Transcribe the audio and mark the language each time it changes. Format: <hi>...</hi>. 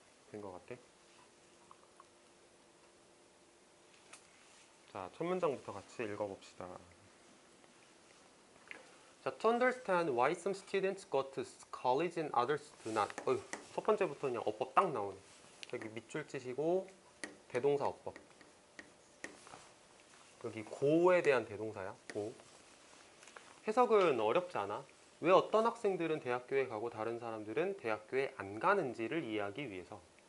<ko>된것 같아? 자, 첫 문장부터 같이 읽어봅시다.</ko> <en>자, to understand why some students go to college and others do not.</en> <ko>어휴, 첫 번째부터 그냥 어법 딱 나오네. 여기 밑줄 치시고 대동사 어법. 여기 go에 대한 대동사야. go. 해석은 어렵지 않아. 왜 어떤 학생들은 대학교에 가고 다른 사람들은 대학교에 안 가는지를 이해하기 위해서.</ko>